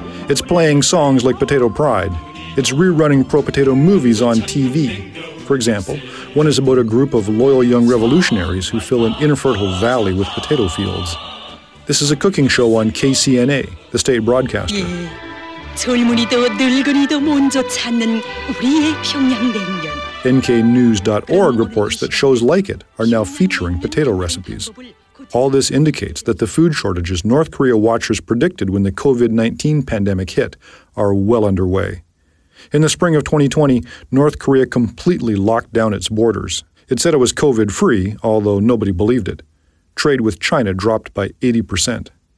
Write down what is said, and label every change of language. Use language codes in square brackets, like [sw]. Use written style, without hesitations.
[en] It's playing songs like Potato Pride. It's rerunning pro-potato movies on TV. For example, one is about a group of loyal young revolutionaries who fill an infertile valley with potato fields. This is a cooking show on KCNA, the state broadcaster. Yeah. [ko] 젊은이도 늙은이도 먼저 찾는 우리의 평양냉면. [en] NKNews.org reports that shows like it are now featuring potato recipes. All this indicates that the food shortages North Korea watchers predicted when the COVID-19 pandemic hit are well underway. In the spring of 2020, North Korea completely locked down its borders. It said it was COVID-free, although nobody believed it. Trade with China dropped by 80%.